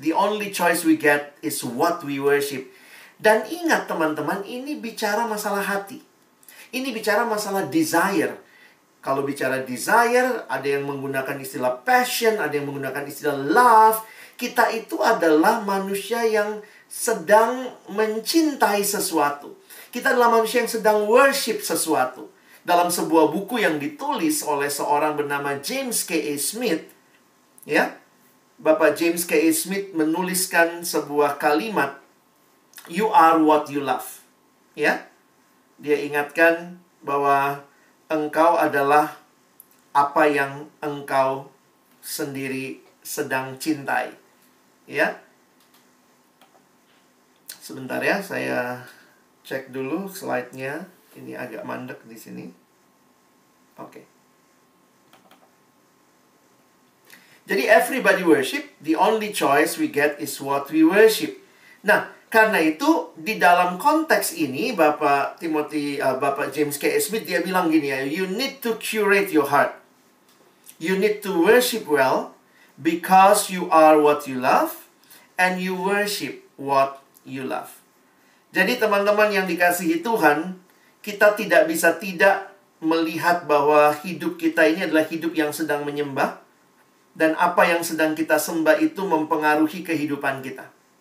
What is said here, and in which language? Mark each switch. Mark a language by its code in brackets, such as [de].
[en] The only choice we get is what we worship." [id] Dan ingat teman-teman, ini bicara masalah hati. Ini bicara masalah desire. Kalau bicara desire, ada yang menggunakan istilah passion, ada yang menggunakan istilah love. Kita itu adalah manusia yang sedang mencintai sesuatu. Kita adalah manusia yang sedang worship sesuatu. Dalam sebuah buku yang ditulis oleh seorang bernama James K.A. Smith, ya, Bapak James K.A. [en] Smith [id] menuliskan sebuah kalimat, [en] "You are what you love." [id] Ya, dia ingatkan bahwa engkau adalah apa yang engkau sendiri sedang cintai. Ya. Sebentar ya, saya cek dulu slide-nya. Ini agak mandek di sini. Oke. Jadi [en] everybody worship, the only choice we get is what we worship. [id] Nah, karena itu, di dalam konteks ini, Bapak James K. [en] Smith, [id] dia bilang gini ya, [en] "You need to curate your heart. You need to worship well because you are what you love and you worship what you love." [id] Jadi, teman-teman yang dikasihi Tuhan, kita tidak bisa tidak melihat bahwa hidup kita ini adalah hidup yang sedang menyembah dan apa yang sedang kita sembah itu mempengaruhi kehidupan kita.